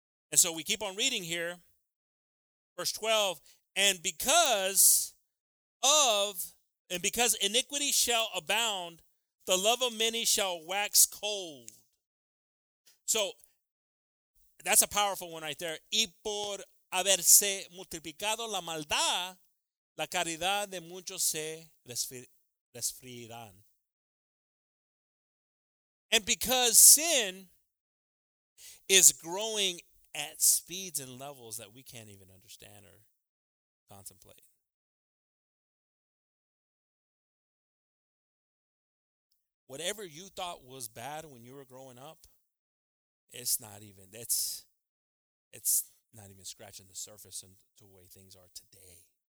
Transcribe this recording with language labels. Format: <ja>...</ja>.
<en>And so we keep on reading here, verse 12, and because iniquity shall abound, the love of many shall wax cold. So that's a powerful one right there.</en> <es>Y por haberse multiplicado la maldad, la caridad de muchos se resfriarán.</es> <en>And because sin is growing at speeds and levels that we can't even understand or contemplate. Whatever you thought was bad when you were growing up, it's not even scratching the surface into the way things are today.</en>